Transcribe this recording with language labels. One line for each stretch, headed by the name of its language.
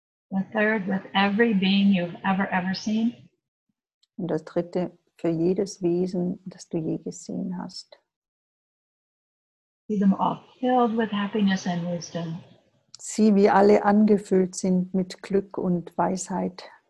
English: The third with every being you've ever seen.
German: Und das dritte für jedes Wesen, das du je gesehen hast.
English: See them all filled with happiness and wisdom.
German: Sieh, wie alle angefüllt sind mit Glück und Weisheit.